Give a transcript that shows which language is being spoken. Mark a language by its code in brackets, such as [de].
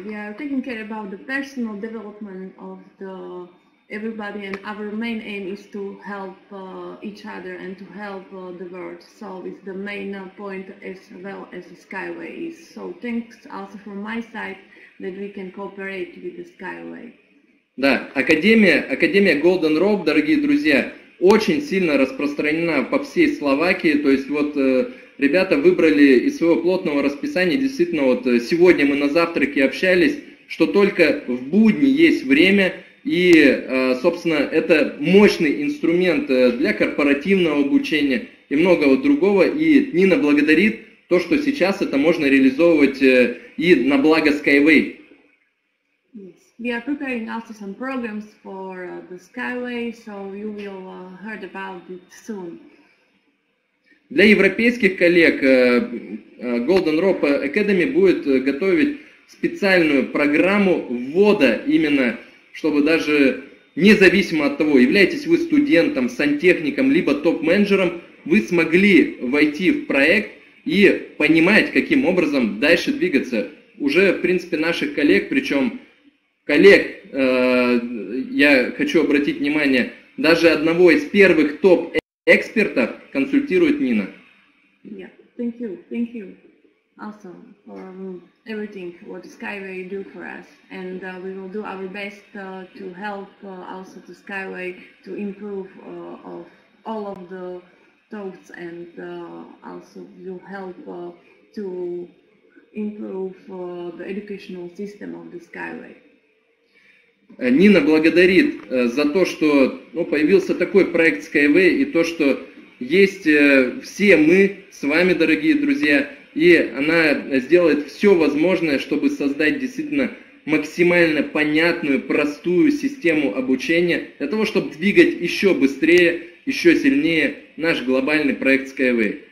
[en] We are taking care about the personal development of the everybody, and our main aim is to help each other and to help the world. So it's the main point as well as the Skyway is. So thanks also from my side that we can cooperate with the Skyway. [ru] Да, Академия Golden Rope, дорогие друзья, очень сильно распространена по всей Словакии. То есть вот ребята выбрали из своего плотного расписания, действительно, вот сегодня мы на завтраке общались, что только в будни есть время. И, собственно, это мощный инструмент для корпоративного обучения и многого другого. И Нина благодарит, то, что сейчас это можно реализовывать и на благо Skyway. [en] Yes. We are preparing also some programs for the Skyway, so you will hear about it soon. [ru] Для европейских коллег Golden Rope Academy будет готовить специальную программу ввода именно, чтобы даже независимо от того, являетесь вы студентом, сантехником, либо топ-менеджером, вы смогли войти в проект и понимать, каким образом дальше двигаться. Уже, в принципе, наших коллег, причем коллег, я хочу обратить внимание, даже одного из первых топ-экспертов консультирует Нина. [en] Yeah, thank you, also for everything what Skyway do for us, and we will do our best to help also to Skyway to improve of all of the thoughts, and also you help to improve the educational system of the Skyway. [ru] Нина благодарит за то, что появился такой проект Skyway, и то, что есть все мы с вами, дорогие друзья, и она сделает все возможное, чтобы создать действительно максимально понятную, простую систему обучения для того, чтобы двигать еще быстрее, еще сильнее наш глобальный проект Skyway.